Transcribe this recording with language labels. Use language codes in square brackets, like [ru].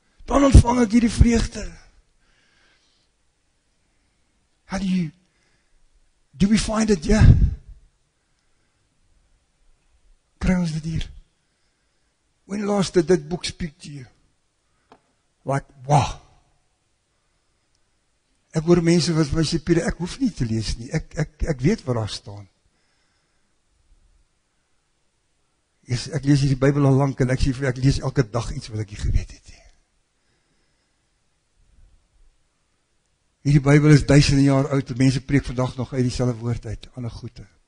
[af] Dan ontvang ek hierdie vreugde. [en] Do we find it? Yeah. [af] Kry ons dit hier. [en] When last did that book speak to you? Like, wow. [af] Ek hoor mense wat my sê, Pieter, ek hoef nie te lees nie. Ek weet waar daar staan. Ek lees hier die Bybel al lank en ek sê, ek lees elke dag iets wat ek hier geweet het. Hierdie Bybel is duisende jaar oud, en mense preek vandag nog uit dieselfde woord uit, ander goede.